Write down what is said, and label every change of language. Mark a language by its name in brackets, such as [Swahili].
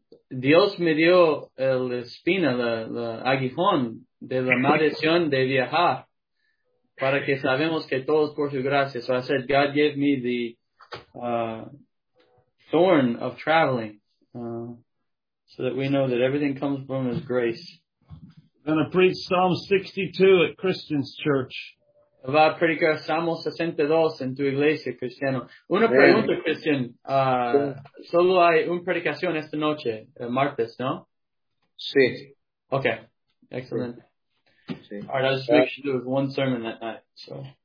[Spanish] Dios me dio la espina, el aguijón de la maldición de viajar para que sabemos que todos por su gracia. [English] So I said, God gave me the thorn of traveling so that we know that everything comes from his grace. Going to preach Psalm 62 at Christian's church. [Spanish] Va a predicar Salmo 62 en tu iglesia, Cristiano. Una pregunta, Christian. Solo hay una predicación esta noche, el martes, ¿no? Sí. [English] Okay. Excellent. [Spanish] Sí. [English] All right, I just make sure there was one sermon that night, so.